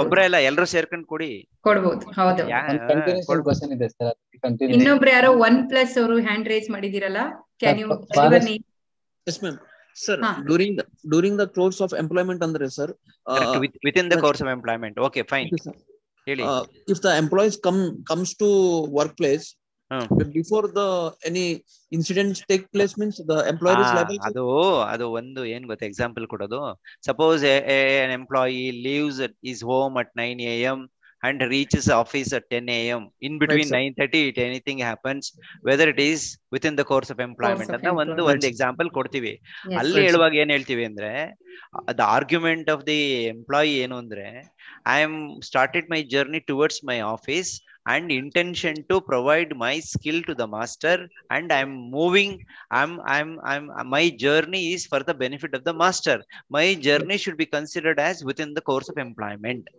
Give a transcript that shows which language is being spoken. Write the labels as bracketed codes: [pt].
[kn] ಒಬ್ರೆ ಇಲ್ಲ ಎಲ್ಲರೂ ಸೇರ್ಕೊಂಡ್ ಕೊಡಿ ಕೊಡ್ಬೋದು. ಹೌದು, ಕಂಟಿನ್ಯೂಸ್ ಕ್ವೆಶ್ಚನ್ ಇದೆ ಸರ್, ಕಂಟಿನ್ಯೂ. ಇನ್ನೊಬ್ರು ಯಾರೋ 1+ ಅವರು ಹ್ಯಾಂಡ್ ರೈಸ್ ಮಾಡಿದಿರಲ್ಲ, [en] can you [kn] ಬನ್ನಿ. [en] Yes ma'am. Sir, during the course of employment [kn] ಅಂದ್ರೆ [en] Sir, within the course of employment, okay fine. If the employees comes to workplace, before the any incidents take place, means the employer is liable. [kn] ಅದು ಅದು ಒಂದು ಏನ್ ಗೊತ್ತ example ಕೊಡೋದು, [en] Suppose an employee leaves his home at 9 a.m. and reaches office at 10 a.m. in between 9:30 it anything happens, whether it is within the course of employment [kn] ಅಂತ ಒಂದು ಒಂದು example ಕೊಡ್ತೀವಿ. ಅಲ್ಲಿ ಹೇಳುವಾಗ ಏನ್ ಹೇಳ್ತೀವಿ ಅಂದ್ರೆ, [en] the argument of the employee [kn] ಏನು ಅಂದ್ರೆ, [en] I am started my journey towards my office and intention to provide my skill to the master and I am moving I am my journey is for the benefit of the master, my journey should be considered as within the course of employment.